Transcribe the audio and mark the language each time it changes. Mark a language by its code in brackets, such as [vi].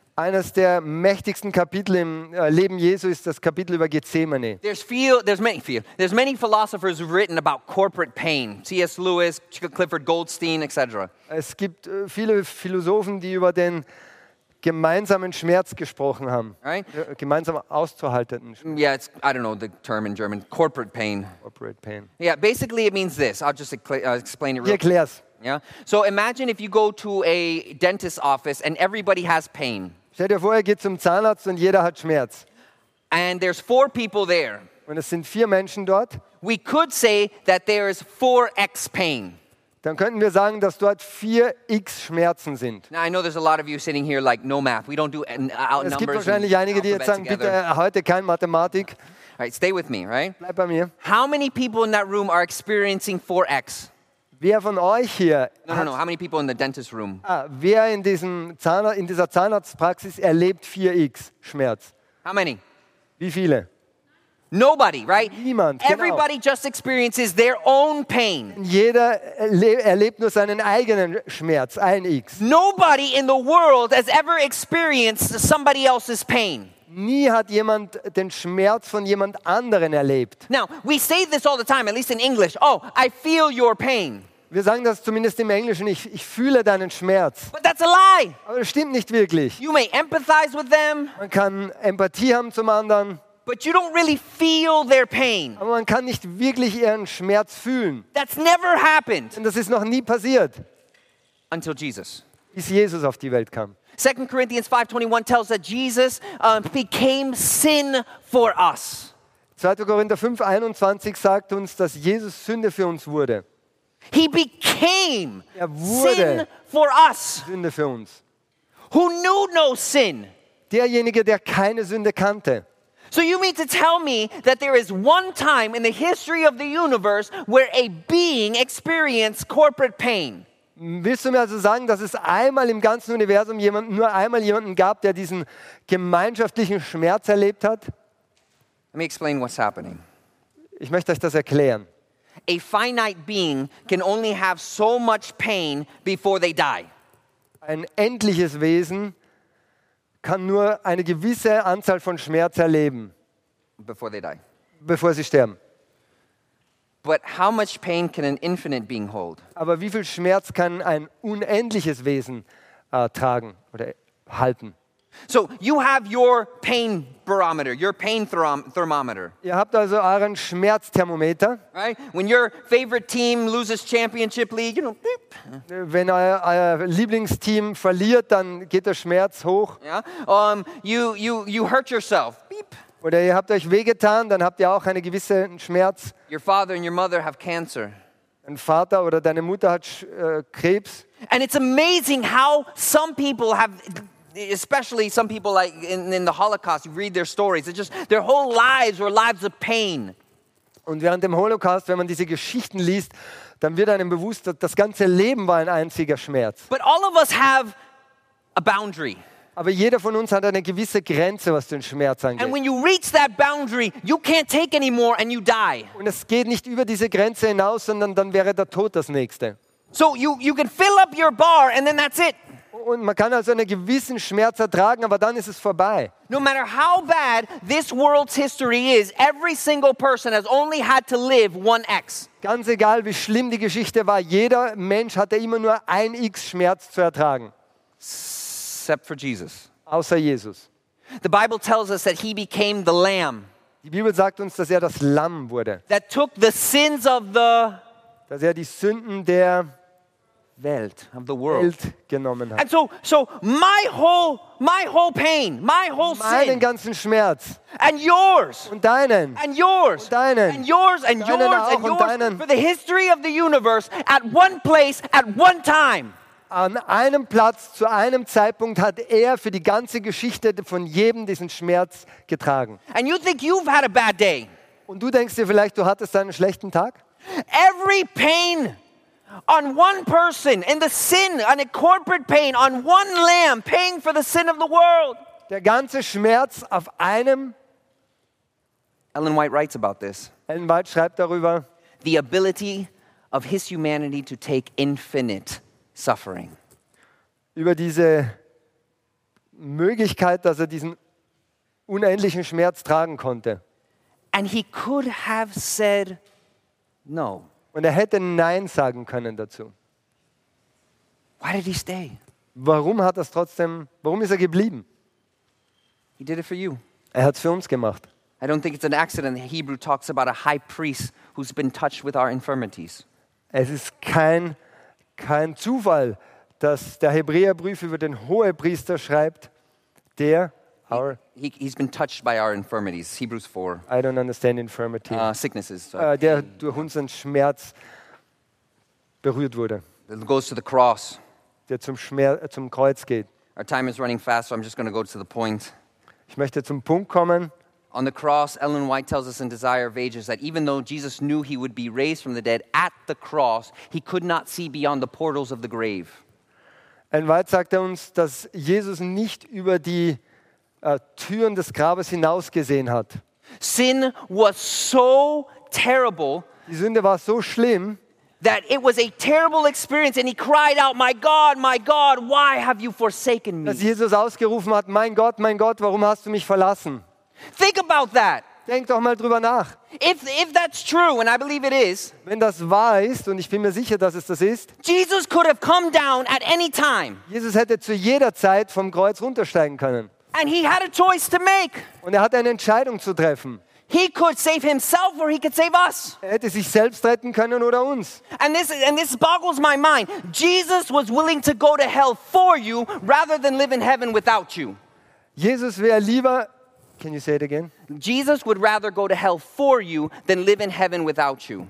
[de] Eines der mächtigsten Kapitel im Leben Jesu ist das Kapitel über Gethsemane. [en] There's many philosophers who've written about corporate pain. C.S. Lewis, Clifford Goldstein, etc. [de] Es gibt viele Philosophen, die über den gemeinsamen Schmerz gesprochen haben. [en] Right? [de] Gemeinsam auszuhaltenden Schmerz. [en] Yeah, it's, I don't know the term in German. Corporate pain. Corporate pain. Yeah, basically it means this. I'll just explain it real quick. [de] Erklär's. [en] Yeah. So imagine if you go to a dentist's office and everybody has pain. [de] Stell dir vor, ihr geht zum Zahnarzt und jeder hat Schmerz. [en] And there's four people there. [de] Und es sind vier Menschen dort. [en] We could say that there is 4x pain. [de] Dann könnten wir sagen, dass dort 4x Schmerzen sind. [en] Now I know there's a lot of you sitting here like no math. We don't do out numbers. [de] Es gibt wahrscheinlich einige, die jetzt sagen, bitte heute kein Mathematik. [en] All right, stay with me, right? [de] Bleib bei mir. [en] How many people in that room are experiencing 4x? [de] Wer von euch hier? [en] No. How many people in the dentist room? [de] Wer in diesem dieser Zahnarztpraxis erlebt 4x Schmerz? [en] How many? [de] Wie viele? [en] Nobody, right? [de] Niemand. [en] Everybody [de] genau. [en] Just experiences their own pain. [de] Jeder erlebt nur seinen eigenen Schmerz, ein X. [en] Nobody in the world has ever experienced somebody else's pain. [de] Nie hat jemand den Schmerz von jemand anderen erlebt. [en] Now, we say this all the time, at least in English. Oh, I feel your pain. [de] Wir sagen das zumindest im Englischen, ich fühle deinen Schmerz. [en] But that's a lie. [de] Aber das stimmt nicht wirklich. [en] You may empathize with them. [de] Man kann Empathie haben zum anderen. [en] But you don't really feel their pain. [de] Aber man kann nicht wirklich ihren Schmerz fühlen. [en] That's never happened. [de] Und das ist noch nie passiert. [en] Until Jesus. [de] Bis Jesus auf die Welt kam. [en] 2 Corinthians 5:21 tells that Jesus became sin for us. [de] 2. Korinther 5:21 sagt uns, dass Jesus Sünde für uns wurde. [en] He became [de] wurde [en] sin for us. [de] Sünde für uns. [en] Who knew no sin. [de] Derjenige, der keine Sünde kannte. [en] So you mean to tell me that there is one time in the history of the universe where a being experienced corporate pain? [de] Willst du mir also sagen, dass es einmal im ganzen Universum nur einmal jemanden gab, der diesen gemeinschaftlichen Schmerz erlebt hat? [en] Let me explain what's happening. [de] Ich möchte euch das erklären. [en] A finite being can only have so much pain before they die. [de] Ein endliches Wesen kann nur eine gewisse Anzahl von Schmerz erleben. [en] Before they die. [de] Bevor sie sterben. [en] But how much pain can an infinite being hold? [de] Aber wie viel Schmerz kann ein unendliches Wesen tragen oder halten? [en] So you have your pain barometer, your pain thermometer. [de] Ihr habt also euren Schmerzthermometer. [en] Right? When your favorite team loses championship league, you know, beep. [de] Wenn euer Lieblingsteam verliert, dann geht der Schmerz hoch. [en] Yeah. You hurt yourself. Beep. [de] Oder ihr habt euch wehgetan, dann habt ihr auch einen gewissen Schmerz. [en] Your father and your mother have cancer. [de] Dein Vater oder deine Mutter hat Krebs. [en] And it's amazing how some people have, especially some people like in the Holocaust, you read their stories, it's just their whole lives were lives of pain. [de] Und während dem Holocaust, wenn man diese Geschichten liest, dann wird einem bewusst, dass das ganze Leben war ein einziger Schmerz. [en] But all of us have a boundary. [de] Aber jeder von uns hat eine gewisse Grenze, was den Schmerz angeht. [en] And when you reach that boundary, you can't take anymore and you die. [de] Und es geht nicht über diese Grenze hinaus, sondern dann wäre der Tod das Nächste. [en] So you can fill up your bar and then that's it. [de] Und man kann also einen gewissen Schmerz ertragen, aber dann ist es vorbei. [en] No matter how bad this world's history is, every single person has only had to live 1x. [de] Ganz egal, wie schlimm die Geschichte war, jeder Mensch hatte immer nur 1x Schmerz zu ertragen. [en] Except for Jesus. [de] Außer Jesus. [en] The Bible tells us that he became the lamb. [de] Die Bibel sagt uns, dass das Lamm wurde. [en] That took the sins of the [de] dass die Sünden der Welt, [en] of the world. [de] Welt genommen hat. [en] And so my whole pain, my whole [de] meinen [en] sin, [de] ganzen Schmerz. [en] And yours. [de] Und deinen. [en] And yours. [de] Und deinen. [en] And yours and [de] deinen [en] yours and yours [de] deinen. [en] For the history of the universe at one place at one time. [de] An einem Platz, zu einem Zeitpunkt hat er für die ganze Geschichte von jedem diesen Schmerz getragen. [en] And you think you've had a bad day. [de] Und du denkst dir vielleicht, du hattest einen schlechten Tag? [en] Every pain on one person and the sin on a corporate pain on one lamb paying for the sin of the world. [de] Der ganze Schmerz auf einem. [en] Ellen White writes about this. [de] Ellen White schreibt darüber. [en] The ability of his humanity to take infinite suffering. [de] Über diese Möglichkeit, dass er diesen unendlichen Schmerz tragen konnte. [en] And he could have said no. [de] Und er hätte Nein sagen können dazu. [en] Why did he stay? [de] Warum hat er trotzdem, warum ist er geblieben? [en] He did it for you. [de] Er hat es für uns gemacht. [en] I don't think it's an accident that Hebrew talks about a high priest who's been touched with our infirmities. [de] Es ist kein Zufall, dass der Hebräerbrief über den Hohepriester schreibt, der [en] He's been touched by our infirmities. Hebrews 4. I don't understand infirmity. Sicknesses. [de] Der durch unseren Schmerz berührt wurde. [en] That goes to the cross. [de] Der zum Kreuz geht. [en] Our time is running fast, so I'm just going to go to the point. [de] Ich möchte zum Punkt kommen. [en] On the cross, Ellen White tells us in Desire of Ages that even though Jesus knew he would be raised from the dead at the cross, he could not see beyond the portals of the grave. [de] Ellen White sagt uns, dass Jesus nicht über die Türen des Grabes hinaus gesehen hat. [en] Sin was so terrible. [de] Die Sünde war so schlimm. [en] That it was a terrible experience, and he cried out, my God, why have you forsaken me?" [de] Dass Jesus ausgerufen hat, mein Gott, warum hast du mich verlassen? [en] Think about that. [de] Denk doch mal drüber nach. [en] If that's true, and I believe it is. [de] Wenn das wahr ist, und ich bin mir sicher, dass es das ist. [en] Jesus could have come down at any time. [de] Jesus hätte zu jeder Zeit vom Kreuz runtersteigen können. [en] And he had a choice to make. [de] Und er hatte eine Entscheidung zu treffen. [en] He could save himself or he could save us. [de] Er hätte sich selbst retten können oder uns. [en] And this boggles my mind. Jesus was willing to go to hell for you rather than live in heaven without you. [de] Jesus wäre lieber. [en] Can you say it again? Jesus would rather go to hell for you than live in heaven without you.